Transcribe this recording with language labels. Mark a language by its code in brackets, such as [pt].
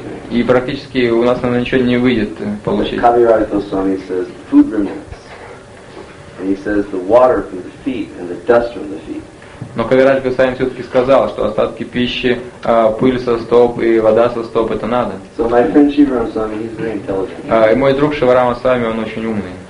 [ru] И практически у нас, наверное, ничего не выйдет получить. [en] Кавирайто Свами says, food remnants. And he says, the water from the feet and the dust from the feet. [ru] Но Кавирадж Госвами все-таки сказал, что остатки пищи, пыль со стоп и вода со стоп, это надо. [en] So my friend Shivaram Swami, he's very intelligent. [ru] И мой друг Шиварама Свами, он очень умный.